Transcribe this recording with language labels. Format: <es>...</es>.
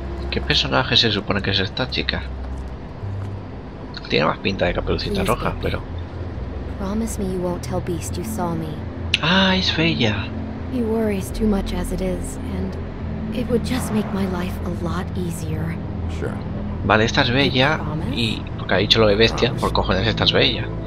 <es>¿Qué personaje se supone que es esta chica? Tiene más pinta de Caperucita</es> <en>Please,</en> <es>Roja, pero.</es> <en>Promise me you won't tell Beast you saw me.</en> <es>Ah, es Bella.</es> <en>He worries too much as it is, and it would just make my life a lot easier. Sure.</en> <es>Vale, esta es Bella y porque ha dicho lo de bestia, por cojones esta es Bella.</es>